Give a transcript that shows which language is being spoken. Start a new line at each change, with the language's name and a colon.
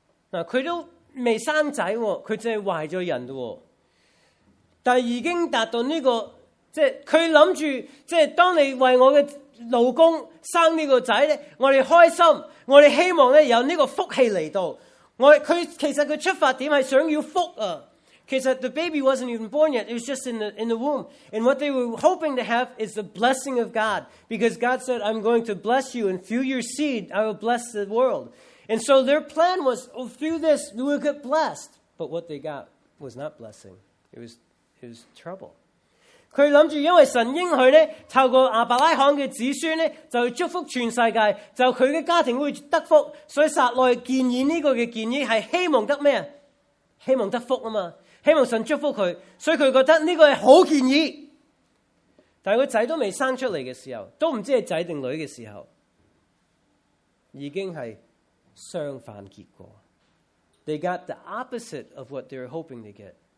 Chinese: 他還未生兒子,他只是懷了孕。但已經達到這個,他想著,當你為我的 老公生這個兒子,我們開心,我們希望有這個福氣來到。其實他出發點是想要福。其實
English: the baby wasn't even born yet, it was just in the womb. And what they were hoping to have is the blessing of God. Because God said, I'm going to bless you and through your seed, I will bless the world. And so their plan was, oh, through this, we will get blessed. But what they got was not blessing. It was trouble.
Chinese: 他想着因为神应许呢,透过亚伯拉罕的子孙呢,就祝福全世界,就他的家庭会得福,所以撒来建议这个建议是希望得什么?希望神祝福他,所以他觉得这个是好建议。但他仔都未生出来的时候,都不知道是仔定女的时候,已经是相反结果。
English: They
Chinese: got the opposite of what they were hoping to get.